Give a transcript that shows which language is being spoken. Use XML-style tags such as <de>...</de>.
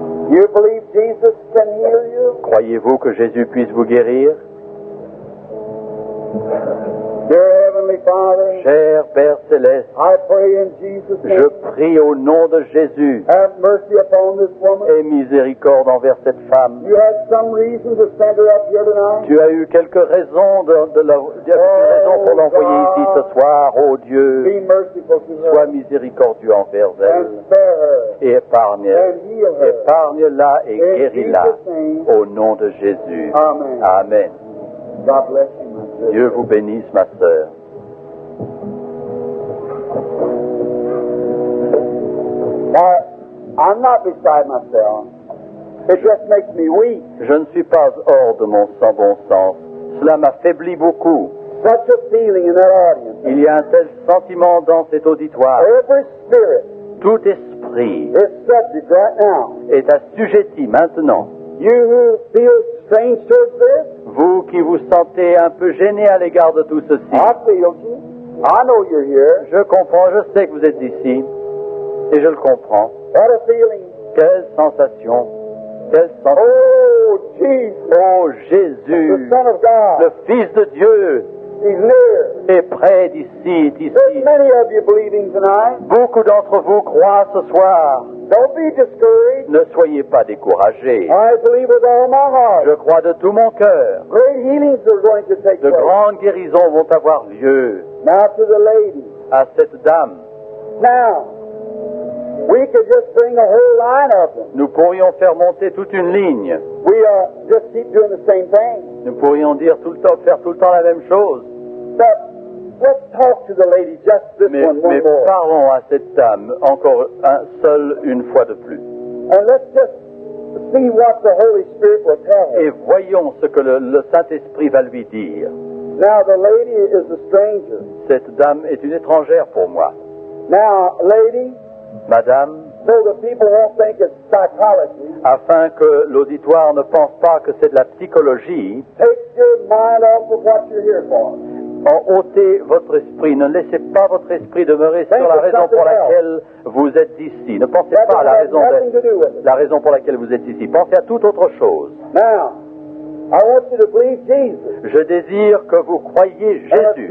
<en>You believe Jesus can heal you?</en> <fr>Croyez-vous que Jésus puisse vous guérir?</fr> <en>Dear Heavenly Father,</en> <fr>cher Père Céleste,</fr> <en>I pray in Jesus' name.</en> <fr>Je prie au nom de Jésus.</fr> <en>Have mercy upon this woman.</en> <fr>Aie miséricorde envers cette femme.</fr> <en>You had some reason to send her up here tonight.</en> <fr>Tu as eu quelques raisons pour l'envoyer ici ce soir, oh Dieu.</fr> <en>Be merciful to her.</en> <fr>Sois miséricordieux envers elle.</fr> <en>And spare her.</en> <fr>Et épargne-la. Épargne-la et guéris-la. Au nom de Jésus.</fr> <en>Amen.</en> <fr>Amen.</fr> <en>God bless you.</en> <fr>Dieu vous bénisse, ma sœur.</fr> <en>Now, I'm not beside myself. It just makes me weak.</en> <fr>Je ne suis pas hors de mon sang bon sens. Cela m'affaiblit beaucoup.</fr> <en>Such a feeling in that audience.</en> <fr>Il y a un tel sentiment dans cet auditoire.</fr> <en>Every spirit.</en> <fr>Tout esprit.</fr> <en>Is subject right now.</en> <fr>Est assujetti maintenant.</fr> <en>You who feel strange towards this.</en> <fr>Vous qui vous sentez un peu gêné à l'égard de tout ceci.</fr> <en>I feel you. I know you're here.</en> <fr>Je comprends, je sais que vous êtes ici. Et je le comprends.</fr> <en>What a feeling.</en> <fr>Quelle sensation. Quelle sensation.</fr> <en>Oh, Jesus.</en> <fr>Oh, Jésus.</fr> <en>The Son of God.</en> <fr>Le Fils de Dieu.</fr> <en>He's near.</en> <fr>Est près d'ici, d'ici.</fr> <en>There's many of you believing tonight.</en> <fr>Beaucoup d'entre vous croient ce soir.</fr> <en>Don't be discouraged.</en> <fr>Ne soyez pas découragés.</fr> <en>I believe with all my heart.</en> <fr>Je crois de tout mon cœur.</fr> <en>Great healings are going to take place.</en> <fr>De grandes guérisons vont avoir lieu.</fr> <en>Now to the lady.</en> <fr>À cette dame.</fr> <en>Now, we could just bring a whole line of them.</en> <fr>Nous pourrions faire monter toute une ligne.</fr> <en>We are just keep doing the same thing.</en> <fr>Nous pourrions dire tout le temps, faire tout le temps la même chose.</fr> <en>But let's talk to the lady just this</en> <fr>mais,</fr> <en>one</en> <fr>mais</fr> <en>one more.</en> <fr>Mais parlons à cette dame encore un seul une fois de plus.</fr> <en>And let's just see what the Holy Spirit will tell her.</en> <fr>Et voyons ce que le Saint-Esprit va lui dire.</fr> <en>Now the lady is a stranger.</en> <fr>Cette dame est une étrangère pour moi.</fr> <en>Now, lady.</en> <fr>Madame,</fr> <en>so the people won't think it's psychology,</en> <fr>afin que l'auditoire ne pense pas que c'est de la psychologie,</fr> <en>take your mind off of what you're here for.</en> <fr>Ôtez votre esprit, ne laissez pas votre esprit demeurer</fr> <en>think</en> <fr>sur la raison pour laquelle vous êtes ici. Ne pensez</fr> <en>that</en> <fr>pas à la raison,</fr> <en>nothing to do with it.</en> <fr>La raison pour laquelle vous êtes ici. Pensez à toute autre chose.</fr> <en>Now, I want you to believe Jesus.</en> <fr>Je désire que vous croyiez Jésus.</fr>